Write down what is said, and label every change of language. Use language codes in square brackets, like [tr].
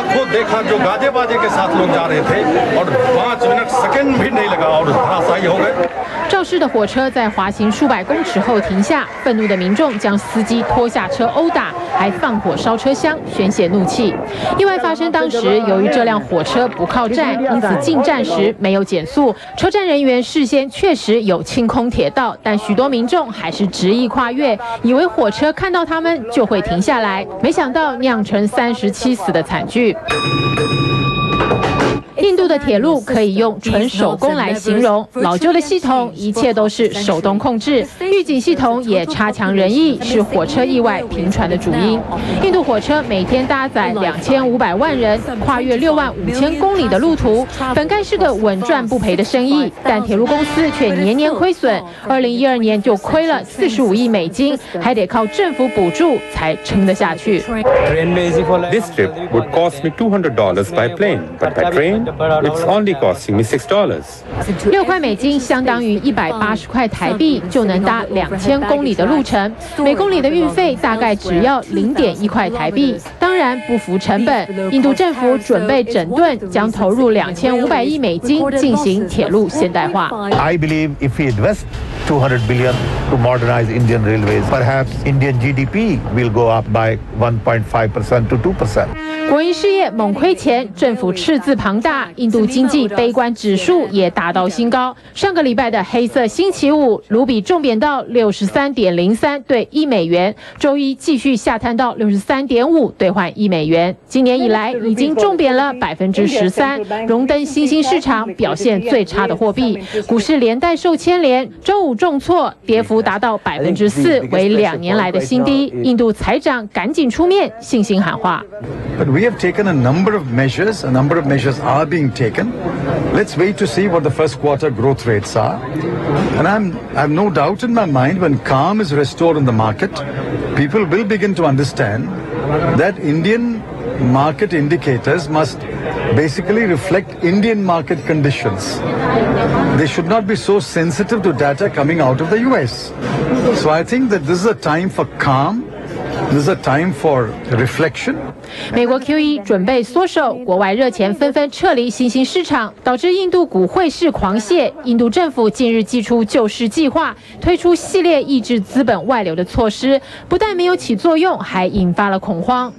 [hi] देखा जो गाजे बाजे के साथ लोग जा रहे थे और 5 मिनट सेकंड भी नहीं लगा और थोड़ा सा ही हो गए。 [zh] 肇事的火车在滑行数百公尺后停下，愤怒的民众将司机拖下车殴打，还放火烧车厢宣泄怒气。意外发生当时，由于这辆火车不靠站，因此进站时没有减速，车站人员事先确实有清空铁道，但许多民众还是执意跨越，以为火车看到他们就会停下来，没想到酿成37死的惨剧。印度的铁路可以用纯手工来形容，老旧的系统一切都是手动控制，预警系统也差强人意，是火车意外频传的主因。印度火车每天搭载2500万人，跨越65000公里的路途，本该是个稳赚不赔的生意，但铁路公司却年年亏损，2012年就亏了45亿美金，还得靠政府补助才撑得下去。 [en] This trip would cost me $200 by plane, but by train. It's only costing me $6. [zh] 6块美金相当于180块台币，就能搭2000公里的路程，每公里的运费大概只要0.1块台币。当然。然不符成本。印度政府准备整顿，将投入2500亿美金进行铁路现代化。 [en] I believe if we invest $200 billion to modernize Indian railways, perhaps Indian GDP will go up by 1.5% to 2%。 [zh] 国营事业猛亏钱，政府赤字庞大，印度经济悲观指数也达到新高。上个礼拜的黑色星期五，卢比重贬到63.03对一美元，周一继续下探到63.5兑换一美元。今年以来已经重贬了13%，荣登新兴市场表现最差的货币。股市连带受牵连，周五重挫，跌幅达到4%，为2年来的新低。印度财长赶紧出面，信心喊话。 [en] We have taken a number of measures. A number of measures are being taken. Let's wait to see what the first quarter growth rates are. And I have no doubt in my mind when calm is restored in the market, people will begin to understand that Indian market indicators must basically reflect Indian market conditions. They should not be so sensitive to data coming out of the US. So I think that this is a time for calm. This is a time for reflection. [zh] 美国 QE 准备缩手，国外热钱纷纷撤离新兴市场，导致印度股汇市狂泻。印度政府近日祭出救市计划，推出系列抑制资本外流的措施，不但没有起作用，还引发了恐慌。